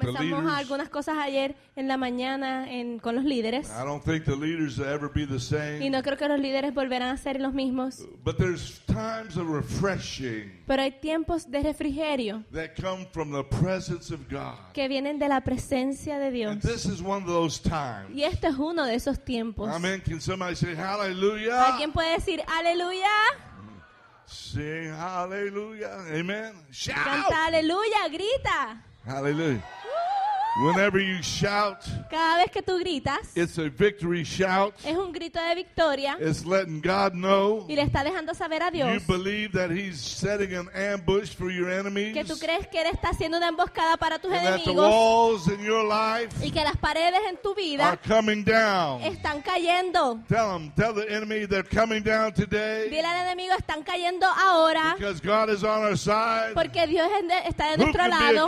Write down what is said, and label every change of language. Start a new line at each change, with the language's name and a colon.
Spanish: comenzamos algunas cosas ayer en la mañana con los líderes.
English: I don't think the leaders will ever be the same.
Spanish: Y no creo que los líderes volverán a ser los mismos.
English: But there's times of refreshing.
Spanish: Pero hay tiempos de refrigerio.
English: That come from the presence of God.
Spanish: Que vienen de la presencia de Dios.
English: And this is one of those times.
Spanish: Y este es uno de esos tiempos.
English: Amen. Can somebody say hallelujah?
Spanish: ¿Alguien puede decir aleluya?
English: Sing hallelujah. Amen. Shout.
Spanish: Canta aleluya, grita.
English: Hallelujah. Whenever you shout,
Spanish: cada vez que tú gritas,
English: it's a victory shout.
Spanish: Es un grito de victoria.
English: It's letting God know.
Spanish: Y le está dejando saber a Dios.
English: You believe that He's setting an ambush for your enemies.
Spanish: Que tú crees que él está haciendo una emboscada para tus enemigos.
English: And that the walls in your life,
Spanish: y que las paredes en tu vida,
English: are coming down.
Spanish: Están cayendo.
English: Tell the enemy they're coming down today.
Spanish: Dile al enemigo están cayendo ahora.
English: Because God is on our side.
Spanish: Porque Dios está de nuestro lado.